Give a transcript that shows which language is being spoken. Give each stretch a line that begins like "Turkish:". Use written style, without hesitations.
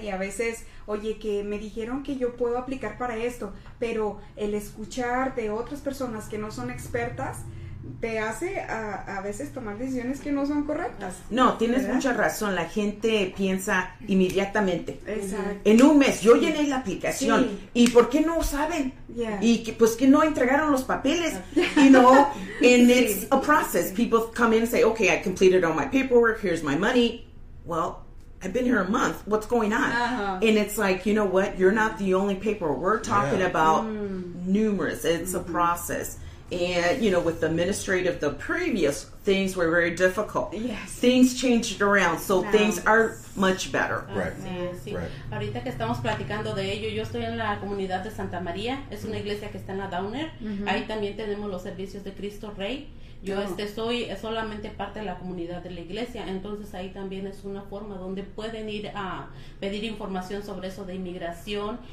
Spanish: Y a veces, oye, que me dijeron que yo puedo aplicar para esto, pero el escuchar de otras personas que no son expertas, te hace a veces tomar decisiones que no son correctas. No, tienes ¿verdad? Mucha razón. La gente piensa inmediatamente. Exacto. En un mes, yo llené la aplicación. Sí. ¿Y por qué no saben?
English: Yeah.
Spanish: Y que, pues que no entregaron los papeles.
English: You know, and sí. it's a process. Sí. People come in and say, okay, I completed all my paperwork. Here's my money. Well, I've been here a month. What's going on? Uh-huh. And it's like, you know what? You're not the only paperwork. We're talking yeah. about mm. numerous. It's mm-hmm. a process. And, you know, with the administrative, the previous things were very difficult. Yes. Things changed around, so now, things are much better. Right.
Spanish: Sí. Ahorita que estamos platicando de ello, yo estoy en la comunidad de Santa María. Es una iglesia que está en la Downer. Mm-hmm. Ahí también tenemos los servicios de Cristo Rey. Yo oh. Soy solamente parte de la comunidad de la iglesia. Entonces, ahí también es una forma donde pueden ir a pedir información sobre eso de inmigración.